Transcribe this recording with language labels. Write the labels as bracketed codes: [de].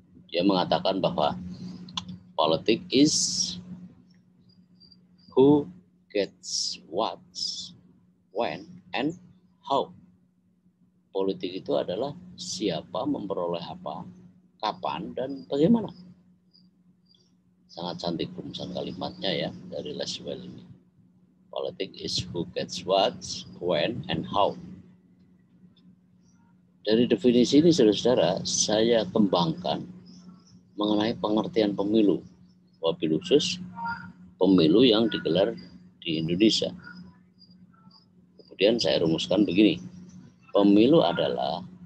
[en] Dia mengatakan bahwa politik is who gets what, when, and how. [id] Politik itu adalah siapa memperoleh apa, kapan, dan bagaimana. Sangat cantik rumusan kalimatnya ya dari Laswell ini. [en] Politik is who gets what, when, and how. [id] Dari definisi ini, saudara-saudara, saya kembangkan mengenai pengertian pemilu, wabil khusus pemilu yang digelar di Indonesia. Kemudian saya rumuskan begini, pemilu adalah